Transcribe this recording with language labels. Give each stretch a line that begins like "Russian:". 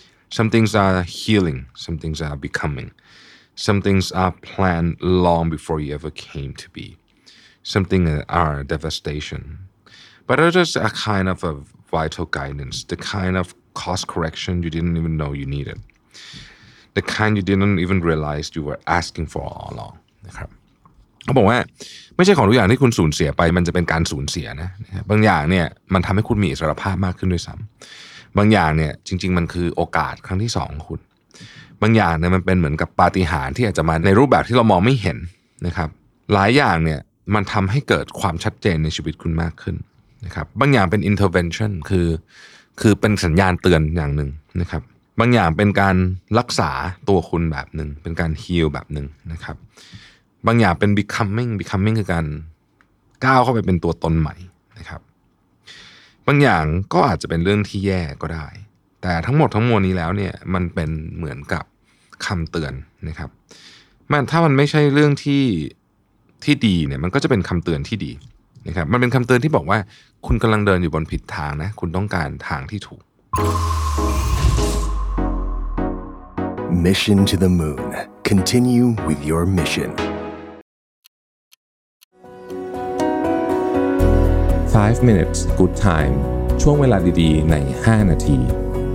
English: Some things are healing. Some things are becoming. Some things are planned long before you ever came to be. Some things are devastation. But others are kind of a vital guidance, the kind of course correction you didn't even know you needed. The kind you didn't even realize you were asking for all along
Thai: นะครับเขาบอกว่าไม่ใช่ของทุกอย่างที่คุณสูญเสียไปมันจะเป็นการสูญเสียนะบางอย่างเนี่ยมันทำให้คุณมีอิสรภาพมากขึ้นด้วยซ้ำบางอย่างเนี่ยจริงๆมันคือโอกาสครั้งที่สองของคุณ บางอย่างเนี่ยมันเป็นเหมือนกับปาฏิหาริย์ที่อาจจะมาในรูปแบบที่เรามองไม่เห็นนะครับหลายอย่างเนี่ยมันทำให้เกิดความชัดเจนในชีวิตคุณมากขึ้นนะครับบางอย่างเป็น intervention คือเป็นสัญญาณเตือนอย่างนึงนะครับบางอย่างเป็นการรักษาตัวคุณแบบนึงเป็นการฮีลแบบนึงนะครับบางอย่างเป็น becoming คือการก้าวเข้าไปเป็นตัวตนใหม่นะครับ บางอย่างก็อาจจะเป็นเรื่องที่แย่ก็ได้แต่ทั้งหมดทั้งมวลนี้แล้วเนี่ยมันเป็นเหมือนกับคำเตือนนะครับแม้ถ้ามันไม่ใช่เรื่องที่ดีเนี่ยมันก็จะเป็นคำเตือนที่ดีนะครับมันเป็นคำเตือนที่บอกว่าคุณกำลังเดินอยู่บนผิดทางนะคุณต้องการทางที่ถูก
English: Mission to the Moon Continue with your mission 5 minutes good time
Thai: ช่วงเวลาดีๆใน5นาที